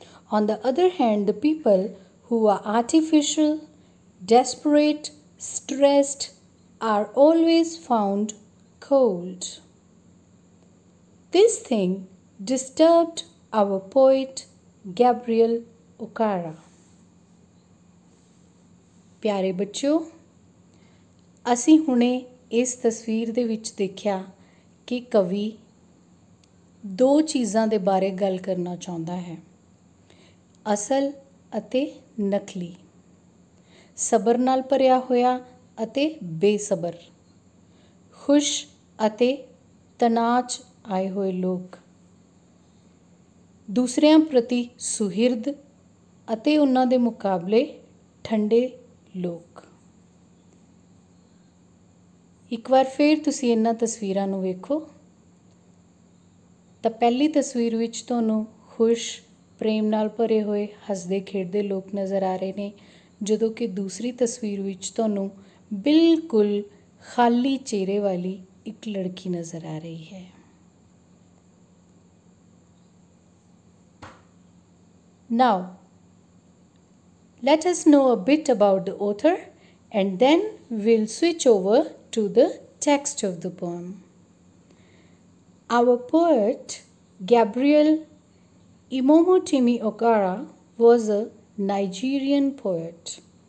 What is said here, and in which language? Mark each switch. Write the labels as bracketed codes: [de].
[en] On the other hand, the people who are artificial, desperate, stressed are always found cold. This thing disturbed our poet Gabriel Okara. [pa] Pyare bachcho, ਅਸੀਂ ਹੁਣੇ ਇਸ ਤਸਵੀਰ ਦੇ ਵਿੱਚ ਦੇਖਿਆ ਕਿ ਕਵੀ ਦੋ ਚੀਜ਼ਾਂ ਦੇ ਬਾਰੇ ਗੱਲ ਕਰਨਾ ਚਾਹੁੰਦਾ ਹੈ, ਅਸਲ ਅਤੇ ਨਕਲੀ, ਸਬਰ ਨਾਲ ਭਰਿਆ ਹੋਇਆ ਅਤੇ ਬੇਸਬਰ, ਖੁਸ਼ ਅਤੇ ਤਣਾਅ 'ਚ ਆਏ ਹੋਏ ਲੋਕ, ਦੂਸਰਿਆਂ ਪ੍ਰਤੀ ਸੁਹਿਰਦ ਅਤੇ ਉਹਨਾਂ ਦੇ ਮੁਕਾਬਲੇ ਠੰਡੇ ਲੋਕ। ਇੱਕ ਵਾਰ ਫਿਰ ਤੁਸੀਂ ਇਹਨਾਂ ਤਸਵੀਰਾਂ ਨੂੰ ਵੇਖੋ ਤਾਂ ਪਹਿਲੀ ਤਸਵੀਰ ਵਿੱਚ ਤੁਹਾਨੂੰ ਖੁਸ਼, ਪ੍ਰੇਮ ਨਾਲ ਭਰੇ ਹੋਏ, ਹੱਸਦੇ ਖੇਡਦੇ ਲੋਕ ਨਜ਼ਰ ਆ ਰਹੇ ਨੇ, ਜਦੋਂ ਕਿ ਦੂਸਰੀ ਤਸਵੀਰ ਵਿੱਚ ਤੁਹਾਨੂੰ ਬਿਲਕੁਲ ਖਾਲੀ ਚਿਹਰੇ ਵਾਲੀ ਇੱਕ ਲੜਕੀ ਨਜ਼ਰ ਆ ਰਹੀ ਹੈ। [en] Now let us know a bit about the author and then we'll switch over to the text of the poem. Our poet Gabriel Imomotimi Okara was a Nigerian poet.